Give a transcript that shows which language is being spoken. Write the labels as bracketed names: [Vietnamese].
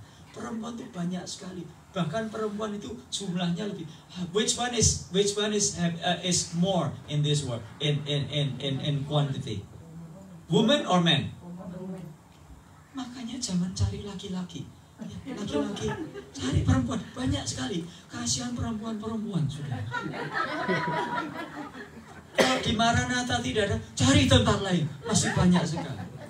[Indonesian] Perempuan itu banyak sekali. Bahkan perempuan itu jumlahnya lebih. [English] Which one is more in this world in quantity? Woman or man? [Indonesian] Makanya jangan cari laki-laki. Laki-laki cari perempuan banyak sekali. Kasihan perempuan-perempuan sudah. Kalau di Maranatha tidak ada, cari tempat lain. Masih banyak sekali.